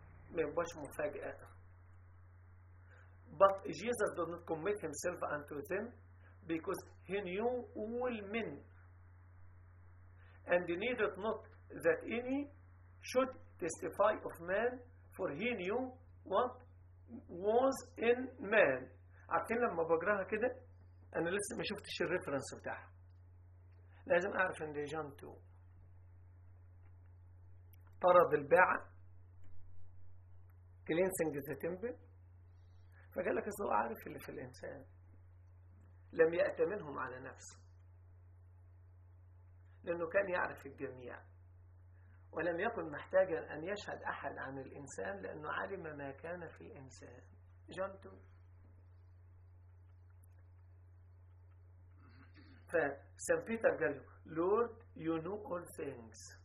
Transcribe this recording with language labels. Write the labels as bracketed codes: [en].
[en] ما يبقاش مفاجأة but Jesus did not commit himself unto them because he knew all men and he needed not that any should testify of man for he knew what was in man عارفين لما بقراها كده انا لسه ما شفتش الريفرنس بتاعها لازم اعرف ان دي جون 2 [ar] طرد الباعه كلينسنج ذا تمبل. فقال لك الله عارف اللي في الانسان لم ياتمنهم على نفسه لانه كان يعرف الجميع ولم يكن محتاجا ان يشهد احد عن الانسان لانه علم ما كان في الانسان. جنتو سان بيتر قال له Lord you know all things.